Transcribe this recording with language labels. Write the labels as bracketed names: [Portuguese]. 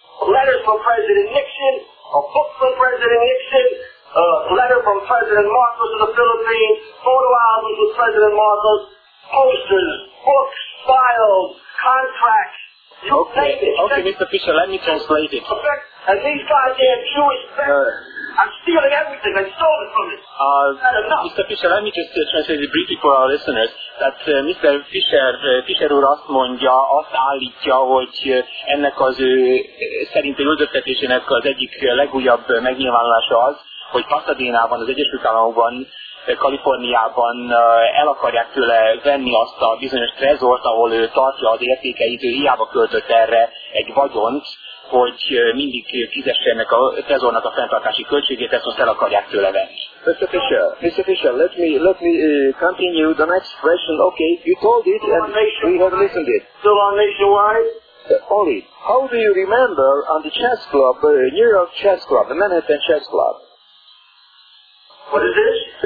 [English] Letters from President Nixon, a book from President Nixon, a letter from President Marcos of the Philippines, photo albums with President Marcos, posters, books, files, contracts, you name it. Okay, Mr. Fischer, let me translate it. And these goddamn Jewish I'm stealing everything, I stole it from it. Mr. Fischer, let me just translate it briefly for our listeners. [Hungarian] Tehát [English] Mr. [Hungarian] Fischer úr azt mondja, azt állítja, hogy ennek az ő szerint üldöztetésének az egyik legújabb megnyilvánulása az, hogy Pasadénában, az Egyesült Államokban, Kaliforniában el akarják tőle venni azt a bizonyos trezort, ahol ő tartja az értékeit, ő hiába költött erre egy vagyont, hogy mindig fizesse ennek a trezornak a fenntartási költségét, ezt most el akarják tőle venni. [English] Mr. Fischer, let me continue the next question. Okay, you told it and we have listened it. Still on nationwide? Oli, how do you remember on the chess club, New York Chess Club, the Manhattan Chess Club? What is this?